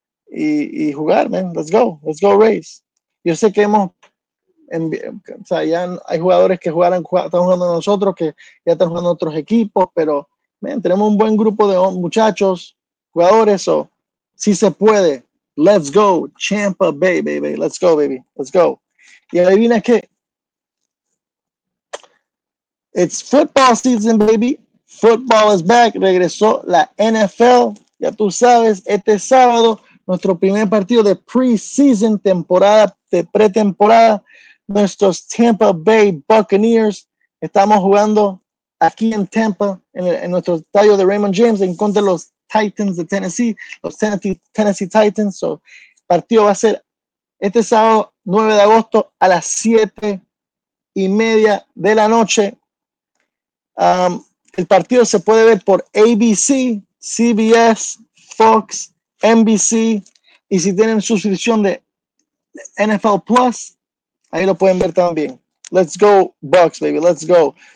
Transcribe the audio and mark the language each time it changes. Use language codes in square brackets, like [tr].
[es] Y jugar, man. [en] Let's go, Rays. [es] Yo sé que hemos, ya hay jugadores que jugaron, están jugando nosotros, que ya están jugando otros equipos, pero, man, tenemos un buen grupo de muchachos, jugadores, o si se puede, [en] let's go, Tampa Bay, baby, let's go, [es] baby, let's go. Y adivina qué. [en] It's football season, baby. Football is back. [es] Regresó la NFL. Ya tú sabes, este sábado, nuestro primer partido de preseason, temporada, de pretemporada, nuestros Tampa Bay Buccaneers. Estamos jugando aquí en Tampa, en nuestro estadio de Raymond James, en contra de los Titans de Tennessee, los Tennessee Titans. So, partido va a ser este sábado, 9 de agosto, a las 7:30 de la noche. El partido se puede ver por ABC, CBS, Fox, NBC, y si tienen suscripción de NFL Plus, ahí lo pueden ver también. [en] Let's go, Bucks, baby, let's go.